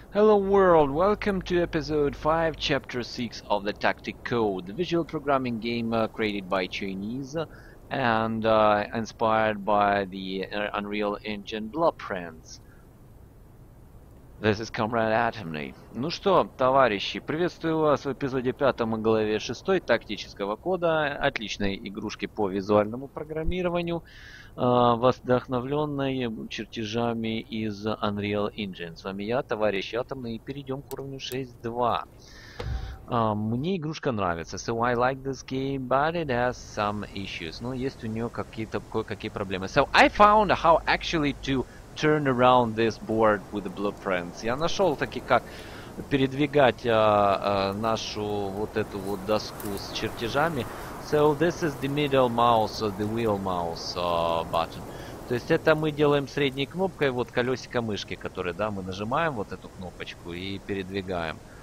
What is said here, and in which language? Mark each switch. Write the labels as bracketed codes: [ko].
[en] Hello world, welcome to episode 5, chapter 6 of the Tactic Code, the visual programming game created by Chinese and inspired by the Unreal Engine Blueprints. This is Comrade Atomly. [ru] Ну что, товарищи, приветствую вас в эпизоде 5 и главе 6 тактического кода, отличной игрушки по визуальному программированию, вдохновленной чертежами из Unreal Engine. С вами я, товарищ Атомный, и перейдем к уровню 6.2. Мне игрушка нравится. [en] So I like this game, but it has some issues. [ru] Но есть у нее какие-то кое-какие проблемы. [en] So I found how actually to turn around this board with the blueprints. [ru] Я нашел таки, как передвигать нашу вот эту вот доску с чертежами. [en] So this is the middle mouse, the wheel mouse button. [ru] То есть это мы делаем средней кнопкой, вот колесико мышки, которые, да, мы нажимаем вот эту кнопочку и передвигаем.